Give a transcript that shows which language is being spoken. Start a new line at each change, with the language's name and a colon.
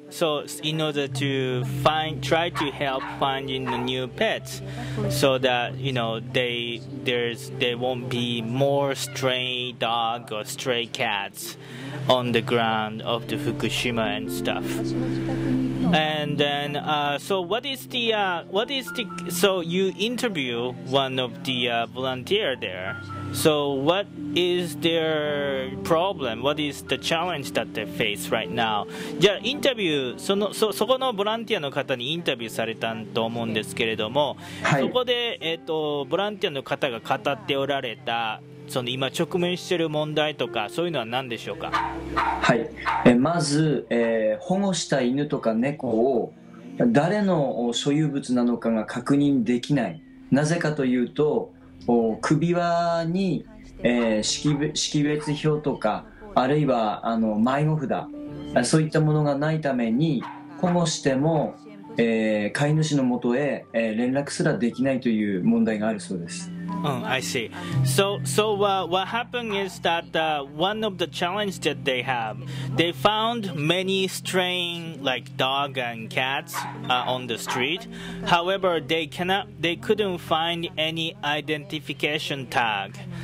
English: So in order to try to help finding the new pets, so that you know they won't be more stray dog or stray cats on the ground of the Fukushima and stuff. And then so you interview one of the volunteer there. So what is their problem? What is the challenge that they face right now?
Japanese: じゃあインタビュー、そこのボランティアの方にインタビューされたと思うんですけれども、はい、そこで、ボランティアの方が語っておられたその今直面している問題とかそういうのは何でしょうか。はい、まず、保護した犬とか猫を誰の所有物なのかが確認できない。なぜかというと首輪に、識別票とかあるいはあの迷子札そういったものがないために保護しても、飼い主のもとへ、連絡すらできないという問題があるそうです。
English: I see. So what happened is that one of the challenges that they have, they found many straying like dog and cats on the street. However, they couldn't find any identification tag.